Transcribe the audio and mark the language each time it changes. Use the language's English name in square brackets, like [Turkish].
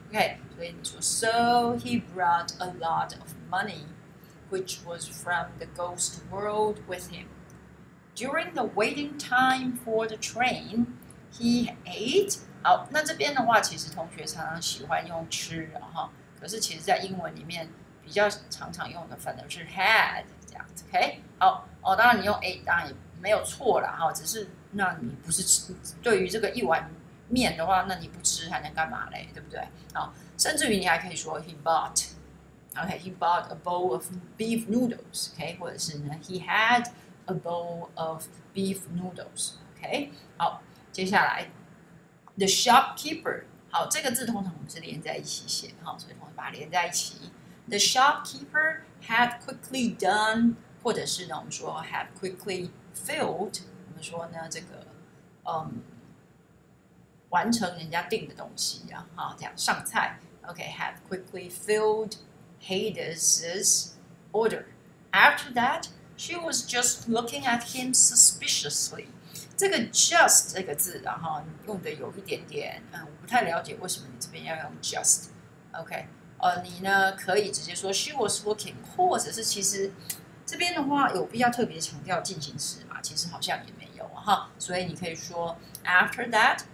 [English] OK， [Chinese] 所以你说 [English] so he brought a lot of money which was from the ghost world with him during the waiting time for the train he ate。 [Chinese] 好，那这边的话其实同学常常喜欢用吃的哈，可是其实在英文里面比较常常用的反而是 had 这样子。 OK， 好，哦，当然你用 ate 当然也没有错啦哈，只是那你不是吃，对于这个一碗面的话那你不吃还能干嘛嘞，对不对？好，甚至于你还可以说 [English] he bought， OK， he bought a bowl of beef noodles， OK， [Chinese] 或者是呢 [English] he had a bowl of beef noodles。 [Chinese] OK， 好，接下来 [English] The shopkeeper， [Chinese] 好，这个字通常我们是连在一起写，好，所以同学把它连在一起。 [English] The shopkeeper had quickly done， [Chinese] 或者是呢，我们说 [English] had quickly filled， [Chinese] 我们说呢，这个完成人家订的东西，然后这样上菜。 [English] Okay, have quickly filled Hades's order. After that, she was just looking at him suspiciously. [Chinese] 这个 just 这个字，然后用的有一点点，嗯，我不太了解为什么你这边要用 just. Okay, 你呢可以直接说 [English] she was looking, [Chinese] 或者是其实这边的话有必要特别强调进行时嘛？其实好像也没有哈，所以你可以说 [English] after that.